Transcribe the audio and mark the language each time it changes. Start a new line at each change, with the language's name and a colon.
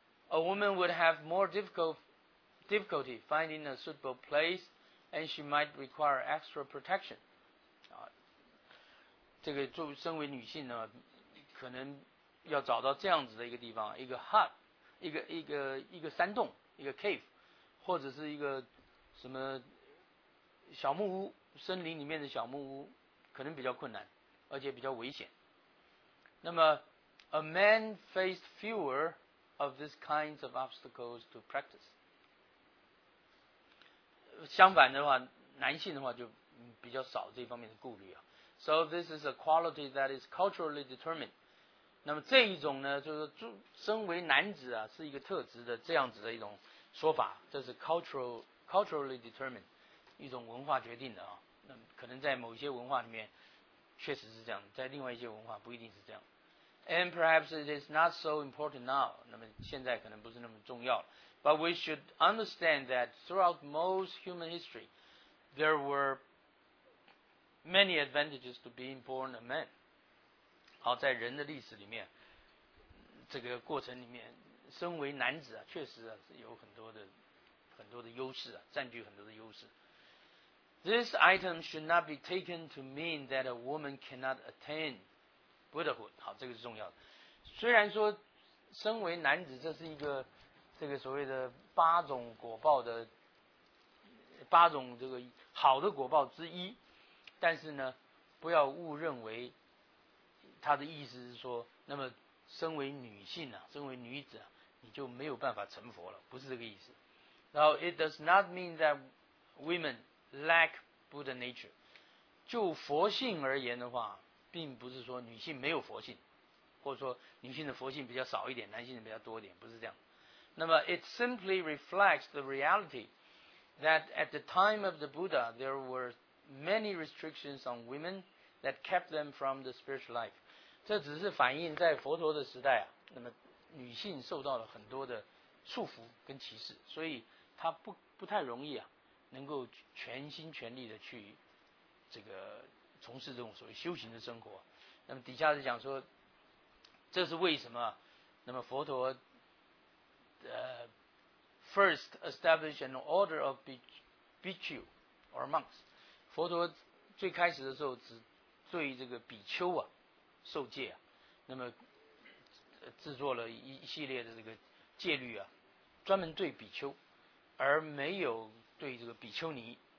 English: A woman would have more difficulty finding a suitable place and she might require extra protection。
Chinese: 这个作为身为女性呢，可能要找到这样子的一个地方，一个 hut， 一个山洞，一个 cave， 或者是一个什么小木屋，森林里面的小木屋可能比较困难，而且比较危险。那么
English: a man faced fewer of these kinds of obstacles to practice。
Chinese: 相反的话，男性的话就比较少这方面的顾虑啊。
English: So this is a quality that is culturally determined。
Chinese: 那么这一种呢，就是身为男子啊是一个特质的这样子的一种说法，这是
English: culturally determined，
Chinese: 一种文化决定的啊。那可能在某些文化里面确实是这样，在另外一些文化不一定是这样。
English: And perhaps it is not so important now，
Chinese: 那么现在可能不是那么重要了。
English: But we should understand that throughout most human history， there were many advantages to being born a man。
Chinese: 好，在人的历史里面，这个过程里面，身为男子啊，确实啊是有很多的优势啊，占据很多的优势。
English: This item should not be taken to mean that a woman cannot attain Buddhahood。
Chinese: 好，这个是重要的。虽然说身为男子这是一个这个所谓的八种果报的八种这个好的果报之一，但是呢不要误认为他的意思是说，那么身为女性啊，身为女子啊，你就没有办法成佛了，不是这个意思。然后
English: It does not mean that womenLack Buddha nature，
Chinese: 就佛性而言的话，并不是说女性没有佛性，或者说女性的佛性比较少一点，男性的比较多一点，不是这样。那么
English: it simply reflects the reality that at the time of the Buddha there were many restrictions on women that kept them from the spiritual life。
Chinese: 这只是反映在佛陀的时代啊，那么女性受到了很多的束缚跟歧视，所以她不太容易啊能够全心全力的去这个从事这种所谓修行的生活。那么底下是讲说这是为什么，那么佛陀
English: first establish an order of bhikkhu or monks，
Chinese: 佛陀最开始的时候只对这个比丘啊受戒啊，那么制作了一系列的这个戒律啊，专门对比丘，而没有对这个比丘尼，